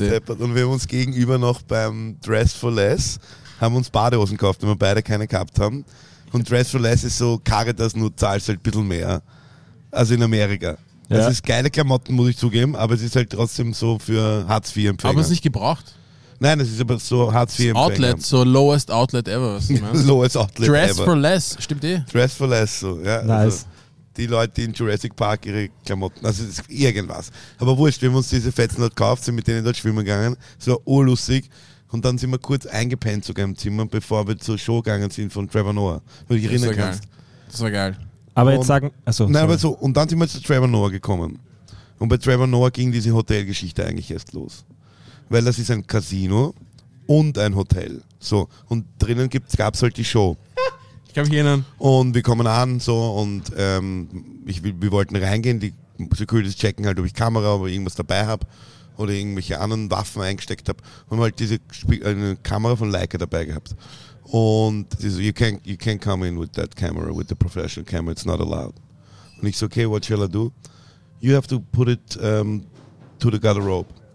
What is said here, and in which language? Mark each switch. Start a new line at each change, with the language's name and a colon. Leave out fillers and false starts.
German: Und wir haben uns gegenüber noch beim Dress for Less, haben uns Badehosen gekauft, wenn wir beide keine gehabt haben. Und Dress for Less ist so, Caritas, nur zahlst halt ein bisschen mehr. Also in Amerika. Ja. Es ist geile Klamotten, muss ich zugeben, aber es ist halt trotzdem so für Hartz-IV-Empfänger. Aber es ist nicht gebraucht. Nein, es ist aber so Hartz-IV-Empfänger.
English: Outlet, so lowest outlet ever,
German: was du meinst.
English: Lowest outlet Dress ever.
German: For less, stimmt eh? Dress for less, so, ja.
English: Nice.
German: Also die Leute in Jurassic Park ihre Klamotten, also ist irgendwas. Aber wurscht, wir haben uns diese Fetzen dort gekauft, sind mit denen dort schwimmen gegangen, es war urlustig. Und dann sind wir kurz eingepennt sogar im Zimmer, bevor wir zur Show gegangen sind von Trevor Noah. Wenn du dich erinnern kannst. Das war geil. Aber jetzt sagen, also. Nein, aber so, und dann sind wir zu Trevor Noah gekommen. Und bei Trevor Noah ging diese Hotelgeschichte eigentlich erst los. Weil das ist ein Casino und ein Hotel. So, und drinnen gab es halt die Show. Ich kann mich erinnern. Und wir kommen an, so, und wir wollten reingehen. Die Securities checken halt, ob ich Kamera, ob ich irgendwas dabei habe. Oder irgendwelche anderen Waffen eingesteckt habe. Und wir haben halt diese eine Kamera von Leica dabei gehabt. Und sie so,
English: you can't come in with that camera, with the professional camera, it's not allowed.
German: Und ich so,
English: okay, what shall I do? You have to put it to the garderobe.